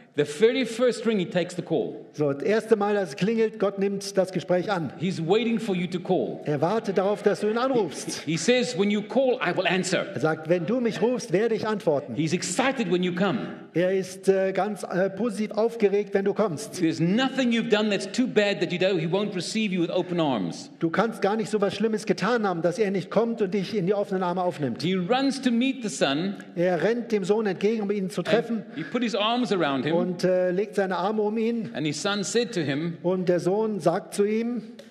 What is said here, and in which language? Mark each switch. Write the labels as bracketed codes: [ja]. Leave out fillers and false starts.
[en] the very first ring, he takes the call. [de] So, das erste Mal, dass es klingelt, Gott nimmt das Gespräch an. [en] He's waiting for you to call. [de] Er wartet darauf, dass du ihn anrufst. [en] He says, when you call, I will answer. [de] Er sagt, wenn du mich rufst, werde ich antworten. [en] He's excited when you come. [de] Er ist ganz positiv aufgeregt, wenn du kommst. [en] There's nothing you've done that's too bad that you don't, he won't receive you with open arms. [de] Du kannst gar nicht so was Schlimmes getan haben, dass er nicht kommt und dich in die offenen Arme aufnimmt. [en] He runs to meet the son. [de] Er rennt dem Sohn entgegen, um ihn zu treffen. [en] And he put his arms around him. [de] Und legt seine Arme um ihn. [en] And his son said to him, [de] und der Sohn sagt zu ihm,